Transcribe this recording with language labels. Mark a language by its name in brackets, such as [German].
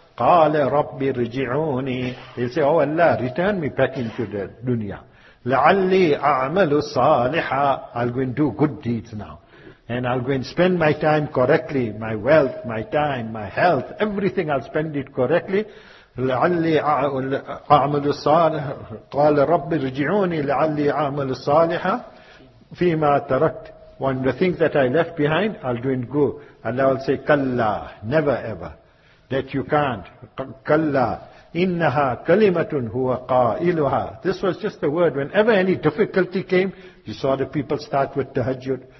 [Arabic] Qala rabbi rji'uni. [English] They say, oh Allah, return me back into the dunya. [Arabic] لعلي أعمل صالحا. [English] I'll go and do good deeds now. And I'll go and spend my time correctly, my wealth, my time, my health, everything I'll spend it correctly. [Arabic] لعلي أعمل صالحا. قال رب ارجعوني لعلي أعمل صالحا فيما تركت. [English] One of the things that I left behind, I'll go and go. Allah will say, كلا, never ever. That you can't. كلا. [Arabic] إِنَّهَا كَلِمَةٌ هُوَ قَائِلُهَا. [English] This was just the word. Whenever any difficulty came, you saw the people start with tahajjud.